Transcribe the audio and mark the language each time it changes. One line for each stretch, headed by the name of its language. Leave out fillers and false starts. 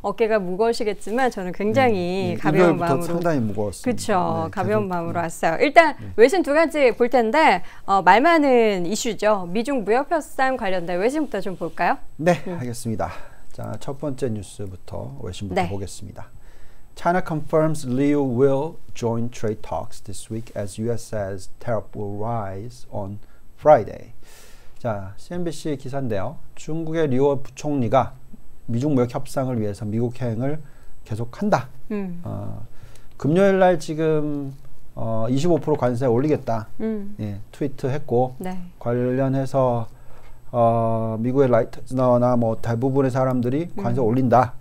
Korean: 어깨가 무거우시겠지만 저는 굉장히 가벼운 마음으로. 일요일부터 상당히 무거웠어요. 그렇죠. 네, 가벼운 계속, 마음으로 왔어요. 일단 외신 두 가지 볼 텐데 말만 하는 이슈죠. 미중 무역 협상 관련된 외신부터 좀 볼까요? 네, 알겠습니다. 자, 첫 번째 뉴스부터 외신부터 네. 보겠습니다.
English: China confirms Liu will join trade talks this week as US says tariff will rise on Friday.
Korean: 자, CNBC 기사인데요. 중국의 리우 부총리가 미중 무역 협상을 위해서 미국 행을 계속한다. 금요일 날 지금 25% 관세 올리겠다. 예, 트위트 했고 네. 관련해서 미국의 라이트너나 뭐 대부분의 사람들이 관세 올린다.